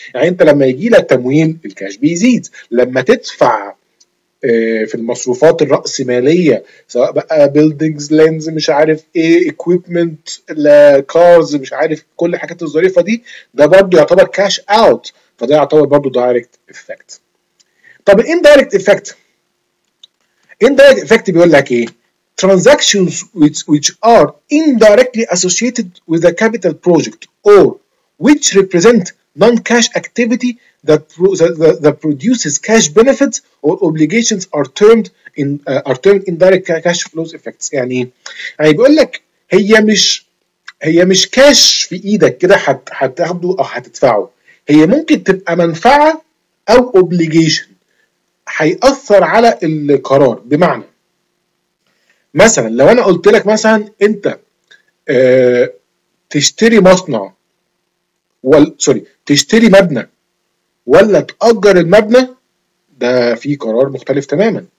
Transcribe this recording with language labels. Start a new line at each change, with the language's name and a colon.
Arabic: يعني انت لما يجي لك تمويل الكاش بيزيد، لما تدفع في المصروفات الرأسماليه سواء بقى بيلدينجز، لينز، مش عارف ايه، اكويبمنت، كارز، مش عارف كل الحاجات الظريفه دي، ده برضو يعتبر كاش اوت، فده يعتبر برضو دايركت افكت. طب الاندايركت افكت،
English: indirect effect
Arabic: بيقول لك ايه؟
English: transactions which are indirectly associated with the capital project or which represent non-cash activity that produces cash benefits or obligations are termed indirect cash flows effects.
Arabic: يعني بيقول لك هي مش كاش في ايدك كده هتاخده او هتدفعه، هي ممكن تبقى منفعه او obligation هيأثر على القرار. بمعنى مثلا لو انا قلت لك مثلا انت تشتري مصنع تشتري مبنى ولا تأجر المبنى، ده في قرار مختلف تماما.